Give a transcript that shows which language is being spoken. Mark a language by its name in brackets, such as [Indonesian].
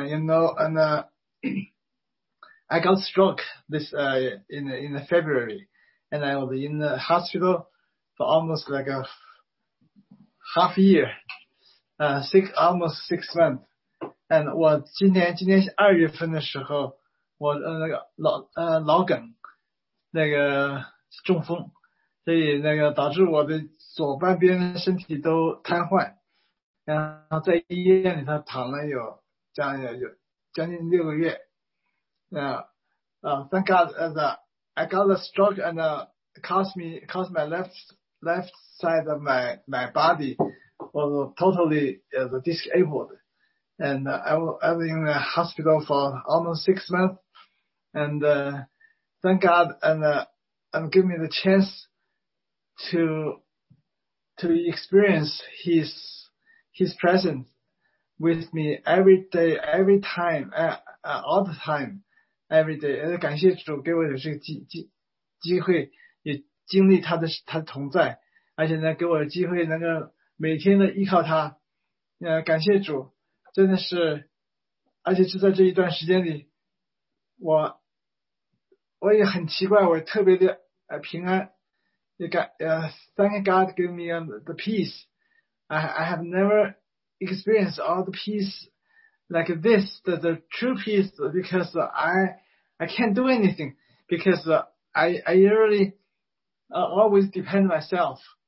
[English] I got stroke this in February, and I was in the hospital for almost like a half year, almost six months. And [Chinese] 我今天二月份的时候，我那个脑梗那个中风，所以那个导致我的左半边身体都瘫痪，然后在医院里头躺了有将近六个月。 [English] Thank God, I got a stroke and caused my left side of my body was totally disabled. And I was in the hospital for almost 6 months. And thank God and give me the chance to experience his presence with me every day, every time, all the time, every day. [Chinese] 感谢主给我有这个机会也经历他的同在，而且呢给我机会能够每天的依靠他。感谢主，真的是，而且就在这一段时间里，我也很奇怪，我特别的平安。 [English] Thank God give me the peace. I have never experienced all the peace like this, the true peace, because I can't do anything, because I really always depend on myself.